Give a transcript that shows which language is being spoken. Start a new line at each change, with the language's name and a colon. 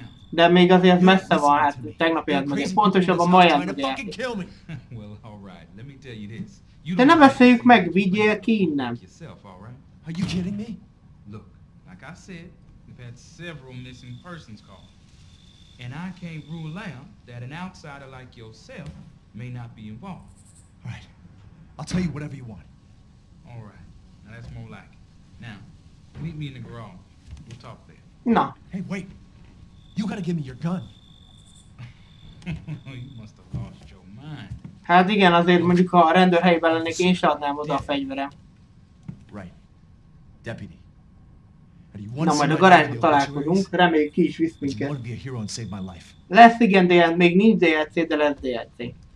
Hungarian: De még azért messze van, hát tegnap jött meg. Pontosabban ma jött a DLC. De ne beszéljük meg, vigyél ki innen.
English: Are you kidding me? Look, like I said, we've had several missing persons calls. And I can't rule out that an outsider like yourself may not be involved. All right, I'll tell you whatever you want. All right, now that's more like it. Now, meet me in the garage. We'll talk there. No. Hey, wait. You gotta give me your gun. You must have lost your mind.
Hungarian: Hát igen, azért mondjuk, ha a rendőr helyben lennék, én se adnám oda a fegyverem.
English: Right. Deputy.
Hungarian: Na, majd a garázsban találkozunk. Reméljük, ki is visz minket. Lesz igen, de még nincs DLC, de lesz DLC.